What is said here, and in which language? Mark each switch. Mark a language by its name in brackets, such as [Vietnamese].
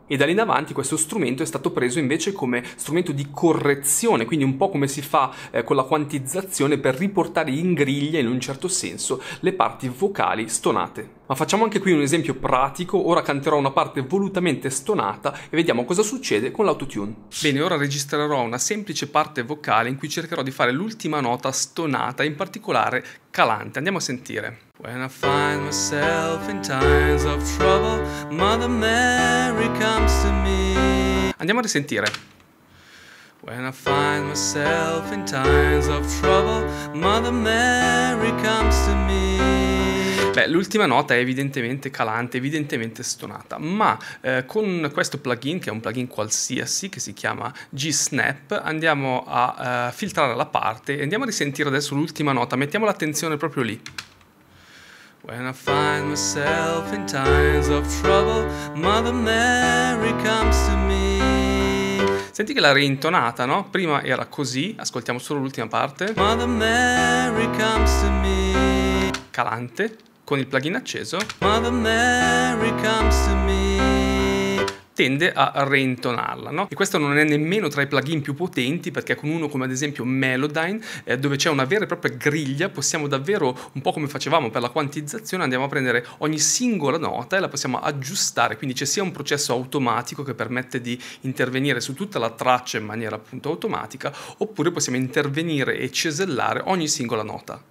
[Italian] E da lì in avanti questo strumento è stato preso invece come strumento di correzione, quindi un po' come si fa con la quantizzazione per riportare in griglia, in un certo senso, le parti vocali stonate. Ma facciamo anche qui un esempio pratico, ora canterò una parte volutamente stonata e vediamo cosa succede con l'autotune. Bene, ora registrerò una semplice parte vocale in cui cercherò di fare l'ultima nota stonata, in particolare calante. Andiamo a sentire. [English] When I find myself in times of trouble, Mother Mary comes to me. [Italian] Andiamo a risentire. [English] When I find myself in times of trouble, Mother Mary comes to me. [Italian] Beh, l'ultima nota è evidentemente calante, evidentemente stonata, ma con questo plugin, che è un plugin qualsiasi, che si chiama G-Snap, andiamo a filtrare la parte e andiamo a risentire adesso l'ultima nota, mettiamo l'attenzione proprio lì. [English] When I find myself in times of trouble, Mother Mary comes to me. [Italian] Senti che l'ha rintonata, no? Prima era così, ascoltiamo solo l'ultima parte. [English] Mother Mary comes to me. [Italian] Calante. Con il plugin acceso, [English] Mother Mary comes to me. [Italian] Tende a reintonarla, no? E questo non è nemmeno tra i plugin più potenti, perché con uno come ad esempio Melodyne, dove c'è una vera e propria griglia, possiamo davvero, un po' come facevamo per la quantizzazione, andiamo a prendere ogni singola nota e la possiamo aggiustare, quindi c'è sia un processo automatico che permette di intervenire su tutta la traccia in maniera appunto automatica, oppure possiamo intervenire e cesellare ogni singola nota.